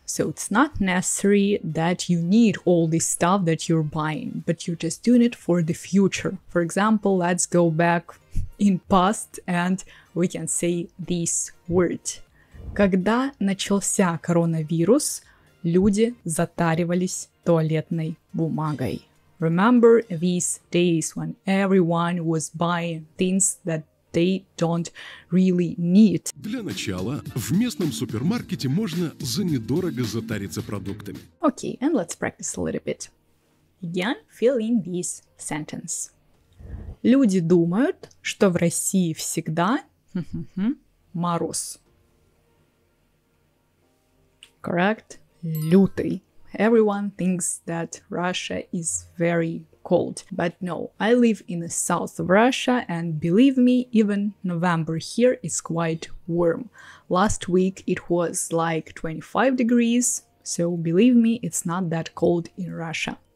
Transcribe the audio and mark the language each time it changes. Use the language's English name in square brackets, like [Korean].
[English] So it's not necessary that you need all this stuff that you're buying, but you're just doing it for the future. For example, let's go back in past and we can say this word. [Russian] Когда начался коронавирус, люди затаривались туалетной бумагой. [English] Remember these days when everyone was buying things that they don't really need. [Russian] Для начала в местном супермаркете можно за недорого затариться продуктами. [English] Okay, and let's practice a little bit. Again, fill in this sentence. [Russian] Люди думают, что в России всегда мороз. [English] Correct? Лютый. Everyone thinks that Russia is very cold. But no, I live in the south of Russia, and believe me, even November here is quite warm. Last week it was like 25 degrees, so believe me, it's not that cold in Russia.